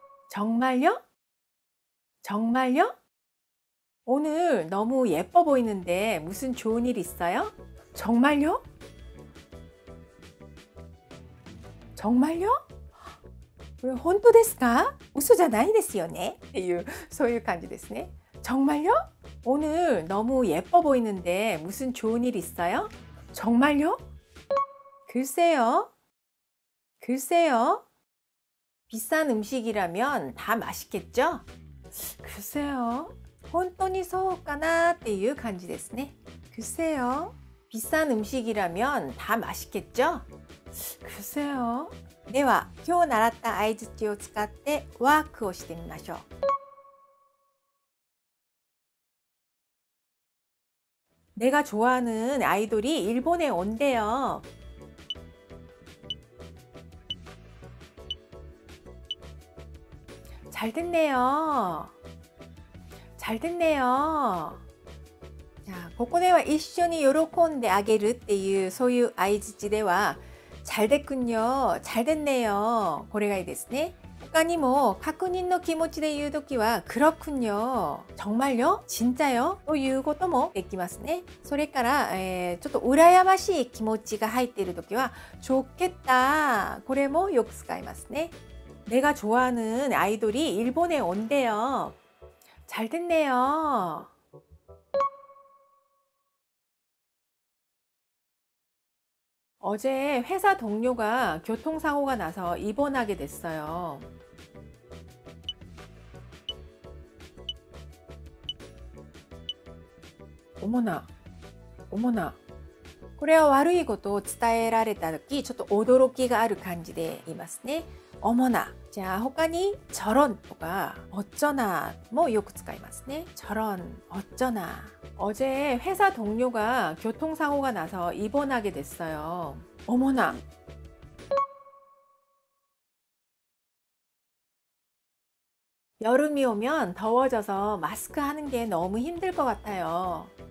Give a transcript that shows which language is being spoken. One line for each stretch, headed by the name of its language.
Korean: 정말요정말요 오늘너무예뻐보이는데무슨좋은일있어요 정말요 정말요?
Japanese: 혼또ですか? 우소じゃないですよね? 소유 간지ですね.
Korean: 정말요? 오늘 너무 예뻐 보이는데 무슨 좋은 일 있어요? 정말요? 글쎄요. 글쎄요. 비싼 음식이라면 다 맛있겠죠? 글쎄요.
Japanese: 本当にそうかなっていう感じですね.
Korean: 글쎄요. 비싼 음식이라면 다 맛있겠죠? 글쎄요.
Japanese: では、今日習った相槌を使ってワークをしてみましょう。
Korean: 내가 좋아하는 아이돌이 일본에 온대요. 잘 됐네요. 잘 됐네요. 자,
Japanese: ここでは一緒に喜んであげるっていうそういう相槌では
Korean: 잘 됐군요. 잘 됐네요.
Japanese: これがいいですね. 他にも 確認の気持ちで言うときは
Korean: 그렇군요. 정말요? 진짜요?
Japanese: ということもできますね. それから ちょっと羨ましい気持ちが入っているときは
Korean: 좋겠다.
Japanese: これもよく使いますね.
Korean: 내가 좋아하는 아이돌이 일본에 온대요. 잘 됐네요. 어제 회사 동료가 교통사고가 나서 입원하게 됐어요. 어머나, 어머나.
Japanese: これは悪いことを伝えられた時ちょっと驚きがある感じで言いますね.
Korean: 어머나. 자,
Japanese: 他に
Korean: 저런
Japanese: とか
Korean: 어쩌나
Japanese: もよく使いますね.
Korean: 저런, 어쩌나. 어제 회사 동료가 교통사고가 나서 입원하게 됐어요. 어머나. 여름이 오면 더워져서 마스크 하는 게 너무 힘들 것 같아요.